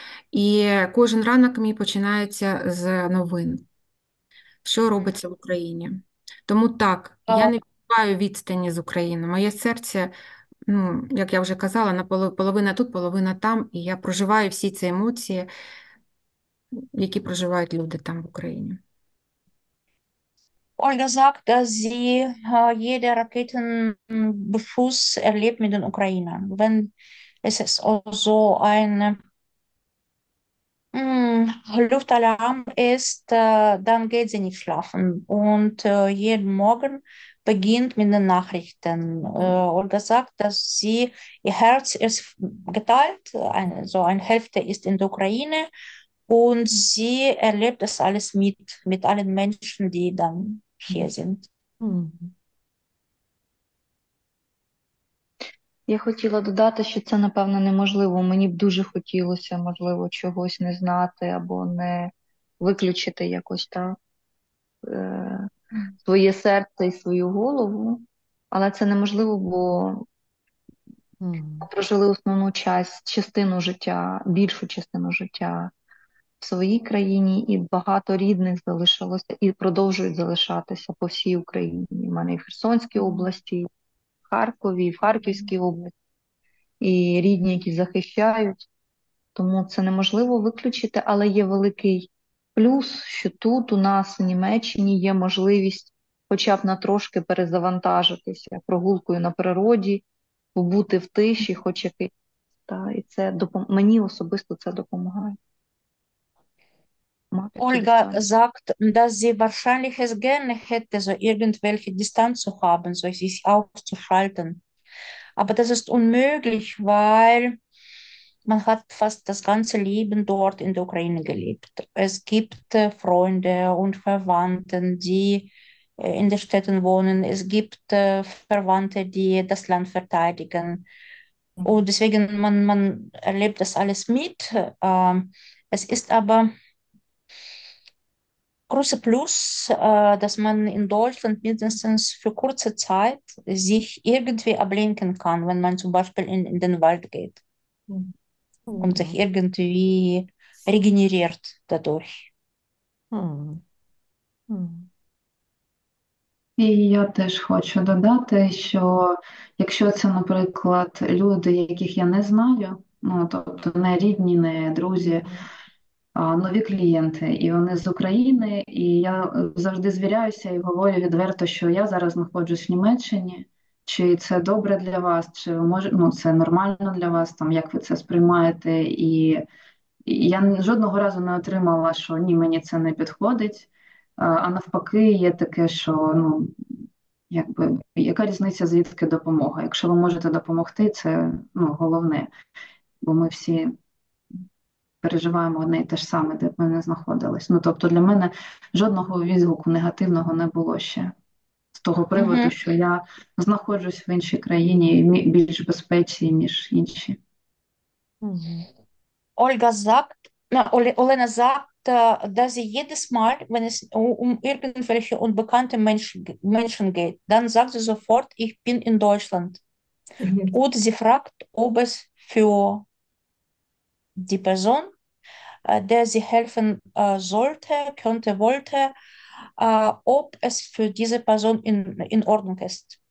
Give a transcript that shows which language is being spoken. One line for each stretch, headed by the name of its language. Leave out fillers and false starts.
Ukrainian: І кожен ранок мій починається з новин, що робиться в Україні. Тому так, я не відчуваю відстані з Україною. Моє серце, ну, як я вже казала, половина тут, половина там, і я проживаю всі ці емоції, які проживають люди там в Україні.
German: Olga sagt, dass sie jeder Raketenbeschuss erlebt mit den Ukrainern. Wenn es ist so ein Luftalarm ist, dann geht sie nicht schlafen. Und jeden Morgen beginnt mit den Nachrichten. Olga sagt, dass sie ihr Herz ist geteilt, so eine Hälfte ist in der Ukraine und sie erlebt das alles mit allen Menschen, die dann hier sind.
Ukrainian: Я хотіла додати, що це, напевно, неможливо. Мені б дуже хотілося, можливо, чогось не знати або не виключити якось так своє серце і свою голову, але це неможливо, бо прожили основну часть, частину життя, більшу частину життя в своїй країні, і багато рідних залишилося і продовжують залишатися по всій Україні. У мене і в Херсонській області, і в Харкові, і в Харківській області, і рідні, які захищають. Тому це неможливо виключити, але є великий плюс, що тут у нас, у Німеччині, є можливість хоча б на трошки перезавантажитися прогулкою на природі, побути в тиші, хоч якийсь. Та, і це мені особисто це допомагає. Мати цю
German: Olga
Ukrainian: дистанцію.
German: sagt, dass sie wahrscheinlich es gerne hätte, so irgendwelche Distanz zu haben, so sich auszuschalten. Aber das ist unmöglich, weil man hat fast das ganze Leben dort in der Ukraine gelebt. Es gibt Freunde und Verwandten, die in den Städten wohnen. Es gibt Verwandte, die das Land verteidigen. Und deswegen, man erlebt das alles mit. Es ist aber große Plus, dass man in Deutschland mindestens für kurze Zeit sich irgendwie ablenken kann, wenn man zum Beispiel in den Wald geht und sich irgendwie regeneriert dadurch.
Ukrainian: І я теж хочу додати, що якщо це, наприклад, люди, яких я не знаю, ну, тобто не рідні, не друзі, а нові клієнти, і вони з України, і я завжди звіряюся і говорю відверто, що я зараз знаходжусь в Німеччині. Чи це добре для вас, чи може, ну, це нормально для вас, там, як ви це сприймаєте? І я жодного разу не отримала, що ні, мені це не підходить. А навпаки, є таке, що ну, якби, яка різниця, звідки допомога? Якщо ви можете допомогти, це ну, головне, бо ми всі переживаємо одне і те ж саме, де б ми не знаходились. Ну, тобто для мене жодного відгуку негативного не було ще з того приводу, що я знаходжусь в іншій країні і більш безпечній, ніж інші.
German: Olga sagt, na, Olena sagt, dass sie jedes Mal, wenn es um irgendwelche unbekannte Menschen geht, dann sagt sie sofort, ich bin in Deutschland. Und sie fragt, ob es für die Person, der sie helfen sollte, könnte, wollte, ob es für diese Person in Ordnung ist.